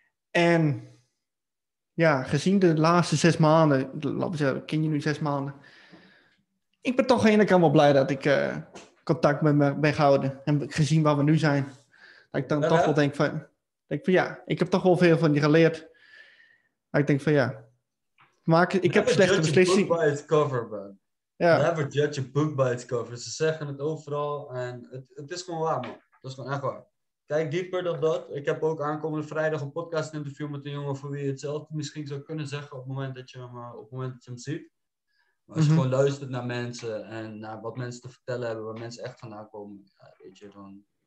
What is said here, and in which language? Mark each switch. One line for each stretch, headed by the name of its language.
Dutch: En ja, gezien de laatste 6 maanden, ken je nu 6 maanden, ik ben toch aan de ene kant wel blij dat ik contact met me ben gehouden en gezien waar we nu zijn, dat ik dan toch wel denk van ja, ik heb toch wel veel van je geleerd. Ik denk van ja. Ik heb slechte beslissingen.
English: Never judge a book by its cover, man. Ja. Never judge a book by its cover.
Dutch: Ze zeggen het overal. En het is gewoon waar, man. Dat is gewoon echt waar. Kijk dieper dan dat. Ik heb ook aankomende vrijdag een podcast interview met een jongen voor wie je hetzelfde misschien zou kunnen zeggen op het moment dat je hem ziet. Maar als je gewoon luistert naar mensen en naar wat mensen te vertellen hebben, waar mensen echt vandaan komen, ja, weet je, dan